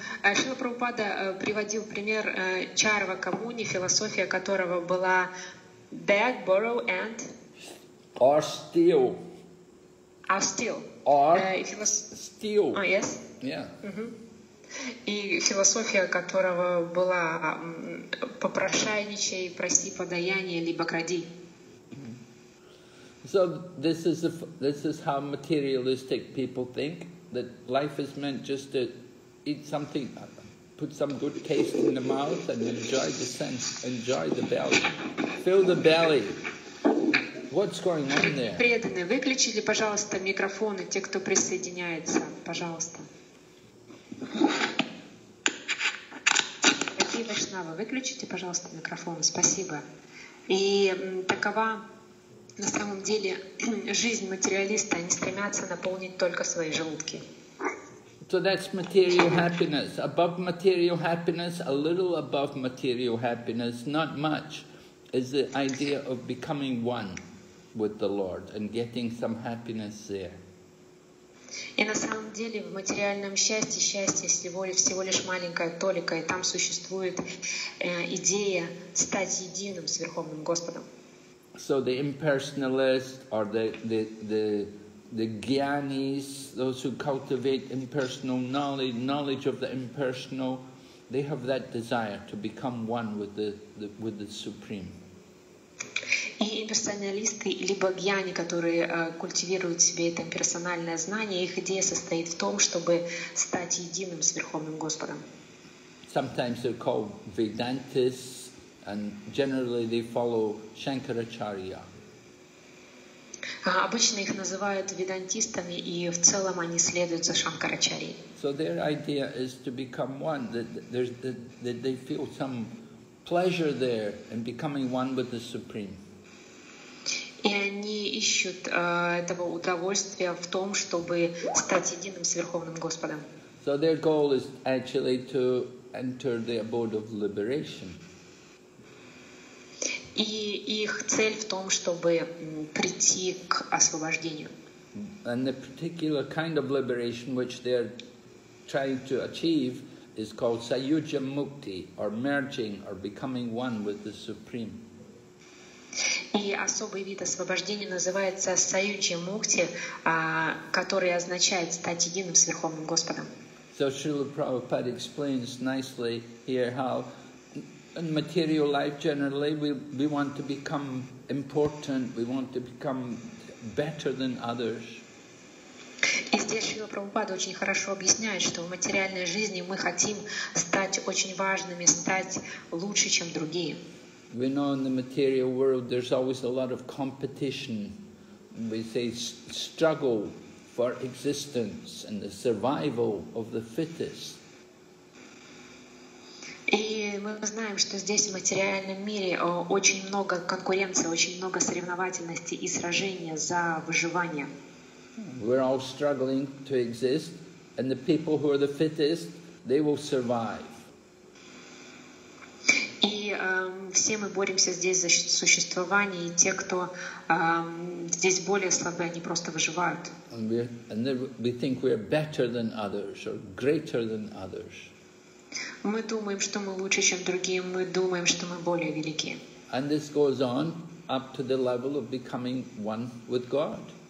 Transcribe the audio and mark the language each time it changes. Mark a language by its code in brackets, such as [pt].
[ru] Шрила Прабхупада приводил пример Чарвака Муни, философия которого была [en] beg, borrow, and... Or steal. Or steal. Or steal. Oh, yes. Yeah. [ru] Uh-huh. И философия которого была попрошайничай, проси подаяние, либо кради. [en] So this is how materialistic people think, that life is meant just to eat something, put some good taste in the mouth and enjoy the sense, enjoy the belly, fill the belly. What's going on there? [ru] Преданные, выключите, пожалуйста, микрофоны, те, кто присоединяется, пожалуйста. Какие вайшнавы, выключите, пожалуйста, микрофоны, спасибо. И такова... На самом деле, жизнь материалиста, они стремятся наполнить только свои желудки. [en] So that's material happiness. Above material happiness, a little above material happiness, not much, is the idea of becoming one with the Lord and getting some happiness there. [ru] И на самом деле, в материальном счастье, счастье всего лишь маленькая толика, и там существует идея стать единым с Верховным Господом. [en] So the impersonalists or the gyanis, those who cultivate impersonal knowledge of the impersonal, they have that desire to become one with the supreme. [ru] И имперсоналисты либо гьяни, которые культивируют в себе это имперсональное знание, их идея состоит в том, чтобы стать единым с Верховным Господом. [en] Sometimes they're called Vedantists. And generally they follow Shankaracharya. [ru] Обычно их называют ведантистами, и в целом они следуют за Шанкарачарьей. [en] So their idea is to become one, that they feel some pleasure there in becoming one with the Supreme. [ru] И они ищут этого удовольствия в том, чтобы стать единым с Верховным Господом. [en] So their goal is actually to enter the abode of liberation. [ru] И их цель в том, чтобы прийти к освобождению. [en] And the particular kind of liberation which they're trying to achieve is called Sayujya Mukti, or merging, or becoming one with the Supreme. [ru] И особый вид освобождения называется Sayujya Mukti, который означает стать единым с Верховным Господом. [en] So Srila Prabhupada explains nicely here how in material life generally we want to become important, we want to become better than others. [ru] И здесь Шрила Прабхупада очень хорошо объясняет, что в материальной жизни мы хотим стать очень важными, стать лучше, чем другие. [en] We know in the material world there's always a lot of competition. We say struggle for existence and the survival of the fittest. [ru] И мы знаем, что здесь в материальном мире очень много конкуренции, очень много соревновательности и сражения за выживание. [en] We're all struggling to exist, and the people who are the fittest, they will survive. [ru] И все мы боремся здесь за существование, и те, кто здесь более слабые, они просто выживают. [en] And we think we're better than others, or greater than others. [ru] Мы думаем, что мы лучше, чем другие, мы думаем, что мы более велики. [en] And this goes on up to the level of becoming one with God.